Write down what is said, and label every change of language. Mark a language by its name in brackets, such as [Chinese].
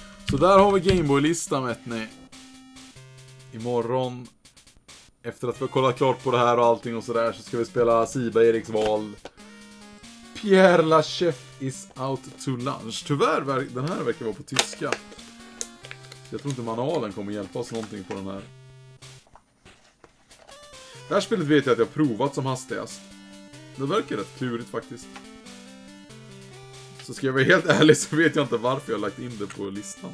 [Swedish] Så där har vi Gameboy-listan, vet ni. imorgon, efter att vi har kollat klart på det här och allting och sådär, så ska vi spela Siba Eriks val. [English] Pierre La Chef is out to lunch. [Swedish] Tyvärr, den här verkar vara på tyska. Jag tror inte manualen kommer hjälpa oss någonting på den här. Det här spelet vet jag att jag provat som hastigast. Det verkar rätt klurigt faktiskt. Så ska jag vara helt ärlig så vet jag inte varför jag har lagt in det på listan.